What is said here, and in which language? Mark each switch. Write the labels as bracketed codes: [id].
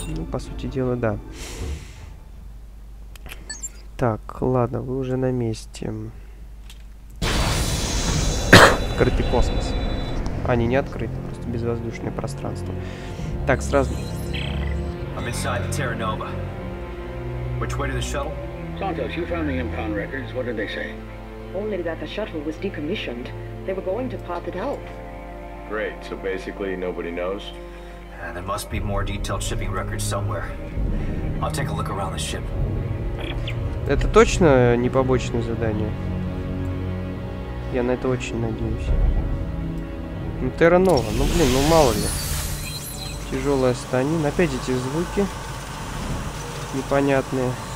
[ru] Ну, по сути дела, да. Так, ладно, вы уже на месте. Открытый космос. А, не открытый, просто безвоздушное пространство. Так, сразу. [en] I'm inside the Terra Nova. Which way to the shuttle? Santos, you found the impound records. What did they say? Only that the shuttle was decommissioned. They were going to pop it out. Great, so basically nobody knows? There must be more detailed shipping records somewhere. I'll take a look around the ship. [ru] Это точно не побочное задание? Я на это очень надеюсь. Ну, Терра Нова. Ну, блин, ну, мало ли. Тяжелая станина. Опять эти звуки. Непонятные.